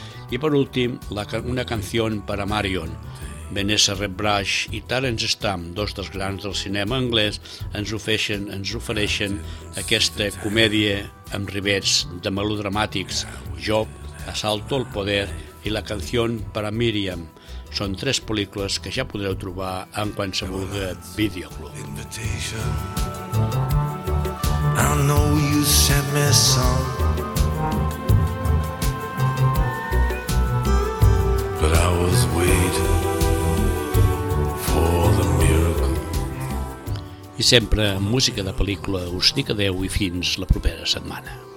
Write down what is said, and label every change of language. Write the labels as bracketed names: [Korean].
[Catalan] I per últim, una canció per a Marion. Vanessa Redbrush i Terence Stamp, dos dels grans del cinema anglès, ens ofereixen aquesta comèdia amb rivets de melodramàtics, Job, Assalto al poder i la canció per a Miriam. Són tres pel·lícules que ja podreu trobar en qualsevol videoclub. [English] Invitation. I know you sent me some, but I was waiting for the miracle. [Catalan] I sempre música de pel·lícula, us dic adeu i fins la propera setmana.